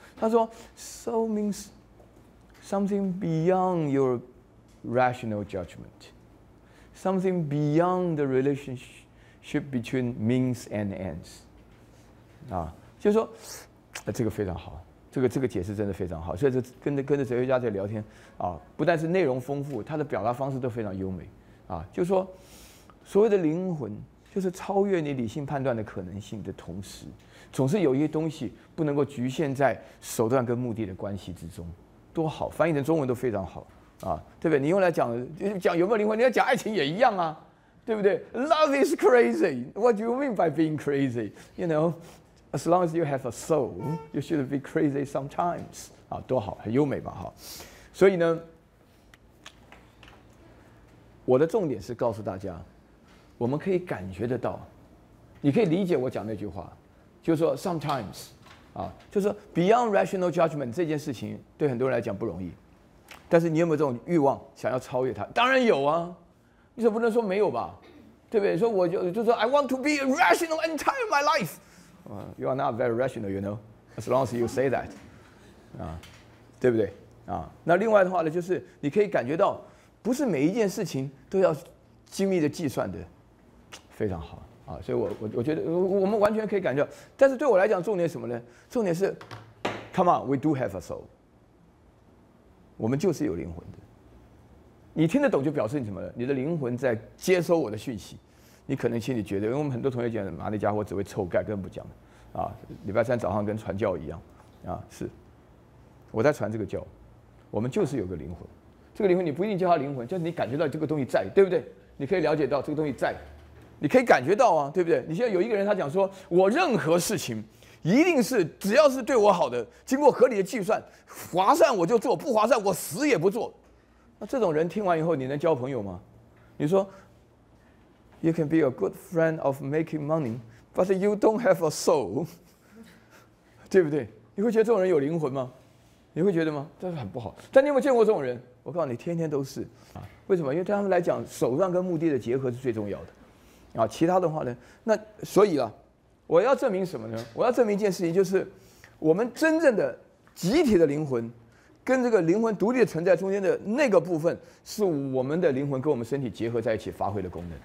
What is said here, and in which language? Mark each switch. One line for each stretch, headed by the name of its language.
Chinese: 他说
English: Soul means something beyond your rational judgment， something beyond the relationship between means and ends。
Chinese: 啊，就是说，这个非常好，这个解释真的非常好。所以这跟着哲学家在聊天啊，不但是内容丰富，他的表达方式都非常优美啊，就是说。所谓的灵魂，就是超越你理性判断的可能性的同时，总是有一些东西不能够局限在手段跟目的的关系之中。多好，翻译成中文都非常好啊，对不对？你用来讲有没有灵魂，你要讲爱情也一样啊，对不对 ？
English: Love is crazy. What do you mean by being crazy? You know, as long as you have a soul, you should be crazy sometimes.
Chinese: 啊，多好，很优美嘛，哈。所以呢，我的重点是告诉大家。我们可以感觉得到，你可以理解我讲那句话，就是说 sometimes， 啊，就是
English: beyond rational judgment
Chinese: 这件事情对很多人来讲不容易，但是你有没有这种欲望想要超越它？当然有啊，你总不能说没有吧，对不对？所以我就说
English: I want to be rational entire my life。 You are not very rational, you know, as long as you say that，
Chinese: 啊，对不对？啊，那另外的话呢，就是你可以感觉到，不是每一件事情都要。精密的计算的非常好啊，所以我觉得我们完全可以感觉到，但是对我来讲重点是什么呢？重点是 ，
English: Come on, we do have a soul，
Chinese: 我们就是有灵魂的。你听得懂就表示你什么呢？你的灵魂在接收我的讯息。你可能心里觉得，因为我们很多同学讲，妈那家伙只会臭盖，根本不讲啊。礼拜三早上跟传教一样啊，是我在传这个教，我们就是有个灵魂。这个灵魂你不一定叫它灵魂，就是你感觉到这个东西在，对不对？你可以了解到这个东西在，你可以感觉到啊，对不对？你现在有一个人，他讲说，我任何事情一定是只要是对我好的，经过合理的计算，划算我就做，不划算我死也不做。那这种人听完以后，你能交朋友吗？你说
English: ，You can be a good friend of making money, but you don't have a soul，
Chinese: 对不对？你会觉得这种人有灵魂吗？你会觉得吗？这是很不好。但你有没有见过这种人？我告诉你，天天都是啊。为什么？因为对他们来讲，手段跟目的的结合是最重要的啊。其他的话呢？那所以啊，我要证明什么呢？我要证明一件事情，就是我们真正的集体的灵魂，跟这个灵魂独立的存在中间的那个部分，是我们的灵魂跟我们身体结合在一起发挥的功能。